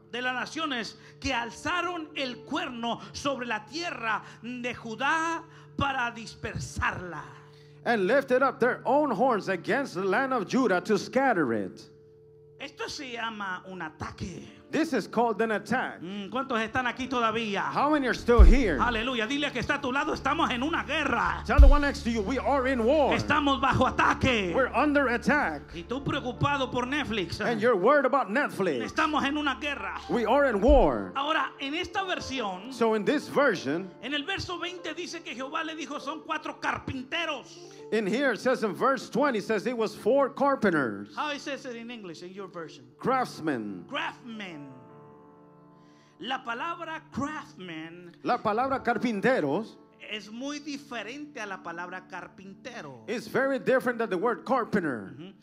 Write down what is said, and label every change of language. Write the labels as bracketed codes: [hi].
[es] De las naciones que alzaron el cuerno sobre la tierra de Judá para dispersarla. [en] And lifted up their own horns against the land of Judah to scatter it. [es] Esto se llama un ataque. [en] This is called an attack. [es] ¿Cuántos están aquí todavía? [en] How many are still here? [es] Aleluya, dile que está a tu lado, estamos en una guerra. [en] Tell the one next to you, we are in war. [es] Estamos bajo ataque. [en] We're under attack. [es] Y tú preocupado por Netflix. [en] And you're worried about Netflix. [es] Estamos en una guerra. [en] We are in war. [es] Ahora, en esta versión, [en] so in this version, [es] en el verso 20 dice que Jehová le dijo, son cuatro carpinteros. [en] In here it says in verse 20, it says it was four carpenters. How it says it in English, in your version? Craftsmen. [es] Craftsmen. La palabra craftsmen. La palabra carpinteros. Es muy diferente a la palabra carpintero. [en] It's very different than the word carpenter.